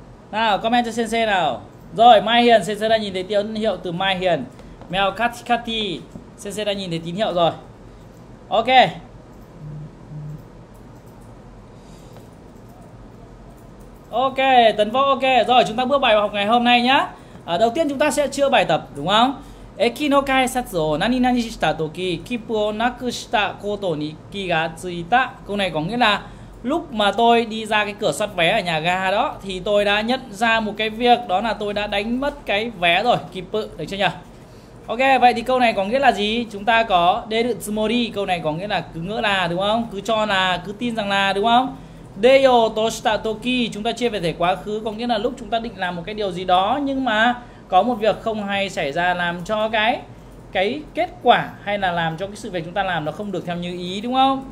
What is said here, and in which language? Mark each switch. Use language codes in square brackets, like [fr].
[vi] Nào comment cho Sensei nào. Rồi, Mai Hiền, Sensei đã nhìn thấy tín hiệu từ Mai Hiền. Mèo Kati Kati, Sensei đã nhìn thấy tín hiệu rồi. OK. OK, Tấn Võ OK. Rồi, chúng ta bước bài học ngày hôm nay nhé. Đầu tiên chúng ta sẽ chữa bài tập, đúng không? [ja] 駅の改札を何々した時、切符をなくしたことに気がついた。 [vi] Câu này có nghĩa là lúc mà tôi đi ra cái cửa soát vé ở nhà ga đó thì tôi đã nhận ra một cái việc, đó là tôi đã đánh mất cái vé rồi, kippu, được chưa nhỉ? Ok, vậy thì câu này có nghĩa là gì? Chúng ta có deru tsumori, câu này có nghĩa là cứ ngỡ là, đúng không? Cứ cho là, cứ tin rằng là, đúng không? Deyo toshita toki, chúng ta chia về thể quá khứ, có nghĩa là lúc chúng ta định làm một cái điều gì đó nhưng mà có một việc không hay xảy ra làm cho cái kết quả hay là làm cho cái sự việc chúng ta làm nó không được theo như ý, đúng không?